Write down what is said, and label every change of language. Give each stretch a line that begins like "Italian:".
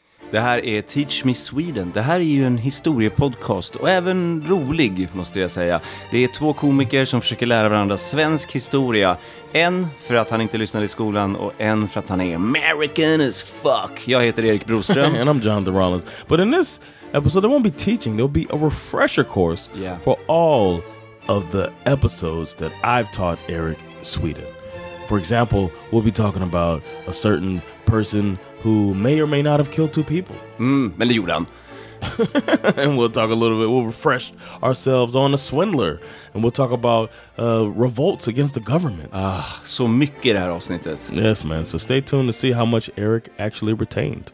Swedish: Det här är Teach Me Sweden. Det här är ju en historiepodcast och även rolig, måste jag säga. Det är två komiker som försöker lära varandra svensk historia. En för att han inte lyssnade i skolan och en för att han är
English: American as fuck.
Swedish: Jag heter Erik Broström.
English: And I'm John the Rollins. But in this episode there won't be teaching, there'll be a refresher course for all of the episodes that I've taught Eric Sweden. For example, we'll be talking about a certain person who may or may not have killed two people.
Swedish: Men det gjorde han.
English: and we'll talk a little bit. We'll refresh ourselves on a swindler. And we'll talk about revolts against the government.
Swedish: Ah, så mycket det här avsnittet.
English: Yes, man. So stay tuned to see how much Eric actually retained.